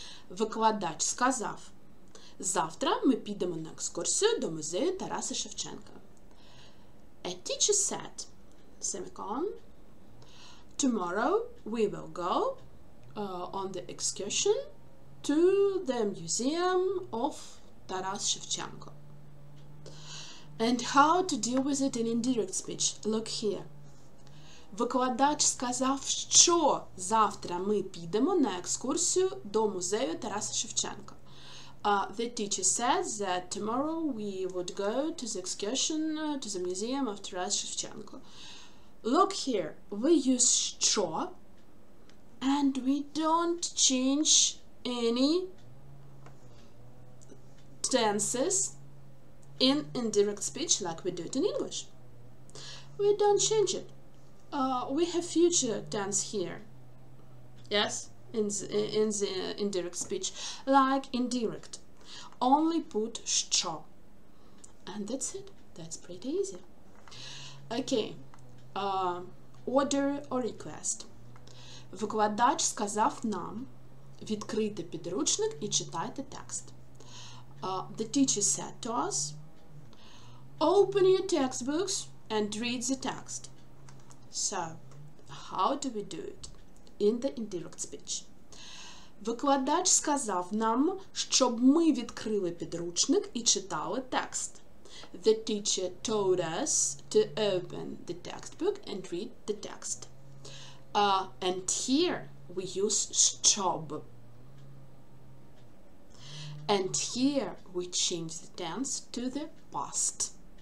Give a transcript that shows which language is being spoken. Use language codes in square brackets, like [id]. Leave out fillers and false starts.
[uk] Викладач сказав, завтра ми підемо на екскурсію до музею Тараса Шевченка. [en] A teacher said, semicolon, tomorrow we will go on the excursion to the museum of Taras Shevchenko. And how to deal with it in indirect speech, look here. [uk] Викладач сказав, що завтра ми підемо на екскурсію до музею Тараса Шевченка. [en] The teacher said that tomorrow we would go to the excursion to the museum of Taras Шевченко. Look here, we use що, and we don't change any tenses in indirect speech like we do it in English. We don't change it. We have future tense here, yes, in the indirect speech, like indirect. Only put що. And that's it. That's pretty easy. Okay, order or request. [uk] Викладач сказав нам відкрити підручник і читайте текст. [en] The teacher said to us, open your textbooks and read the text. So, how do we do it in the indirect speech? [uk] Викладач сказав нам, щоб ми відкрили підручник і читали текст. [en] The teacher told us to open the textbook and read the text. And here we use щоб. And here we change the tense to the past.